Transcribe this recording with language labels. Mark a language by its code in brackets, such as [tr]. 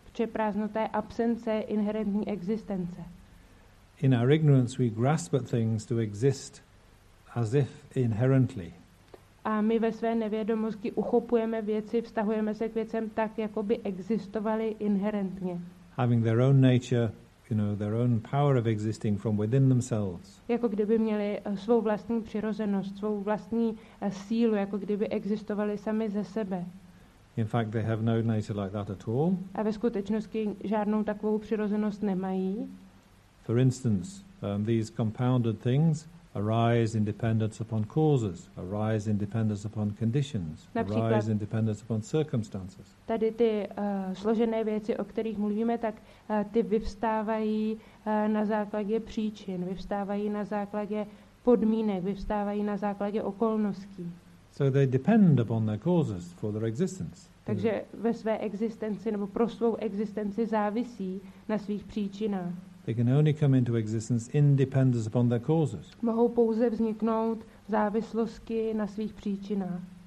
[cs] Že prázdnota je absence inherentní existence. [en] In our ignorance we grasp at things to exist as if inherently. [cs] A my ve své nevědomosti uchopujeme věci, vztahujeme se k věcem tak, jako by existovaly inherentně. [en] Having their own nature, you know, their own power of existing from within themselves. [cs] Jako kdyby měli svou vlastní přirozenost, svou vlastní sílu, jako kdyby existovali sami ze sebe. [en] In fact, they have no nature like that at all. [cs] A ve skutečnosti žádnou takovou přirozenost nemají. [en] For instance, these compounded things, arise in dependence upon causes, arise in dependence upon conditions, arise in dependence upon circumstances. [cs] Tady ty složené věci, o kterých mluvíme, tak ty vyvstávají na základě příčin, vyvstávají na základě podmínek, vyvstávají na základě okolností. [en] So they depend upon their causes for their existence. [cs] Takže ve své existenci nebo pro svou existenci závisí na svých příčinách. [en] They can only come into existence in dependence upon their causes. [cs] Mohou pouze vzniknout v závislosti na svých příčinách.